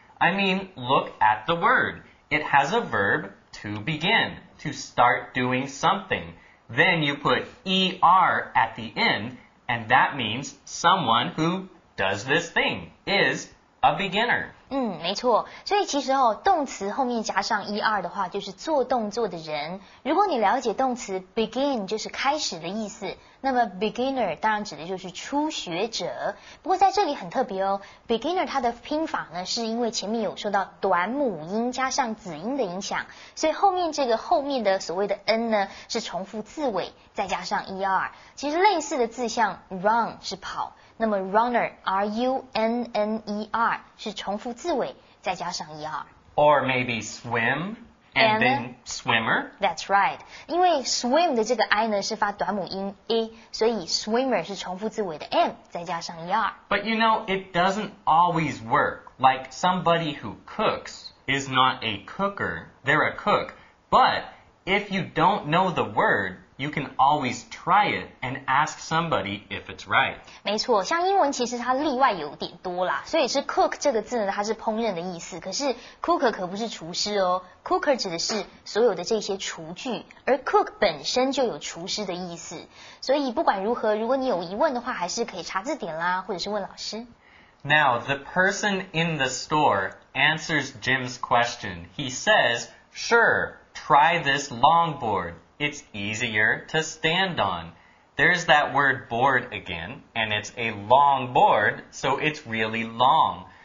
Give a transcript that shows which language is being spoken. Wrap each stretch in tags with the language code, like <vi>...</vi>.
<en>I mean, look at the word. It has a verb, to begin, to start doing something. Then you put er at the end, and that means someone who does this thing is a beginner.</en> <zh>没错。所以其实哦，动词后面加上 er 的话，就是做动作的人。如果你了解动词 begin 就是开始的意思，那么 beginner 当然指的就是初学者。不过在这里很特别哦， beginner 它的拼法呢，是因为前面有受到短母音加上子音的影响，所以后面这个后面的所谓的 n 呢，是重复字尾再加上 er。其实类似的字像 run 是跑。那么 runner, R-U-N-N-E-R, 是重复字尾再加上 er.</zh> <en>Or maybe swim, and then swimmer.</en> <zh>That's right. 因为 swim 的这个 I 呢是发短母音 A, 所以 swimmer 是重复字尾的 M, 再加上 er.</zh> <en>But you know, it doesn't always work. Like somebody who cooks is not a cooker, they're a cook. But if you don't know the word,You can always try it and ask somebody if it's right.</en> <zh>没错，像英文其实它例外有点多啦，所以是 cook 这个字呢，它是烹饪的意思。可是 cooker 可不是厨师哦， cooker 指的是所有的这些厨具，而 cook 本身就有厨师的意思。所以不管如何，如果你有疑问的话，还是可以查字典啦，或者是问老师。</zh> <en>Now the person in the store answers Jim's question. He says, "Sure, try this longboard." It's easier to stand on. There's that word board again, and it's a long board, so it's really long.</en>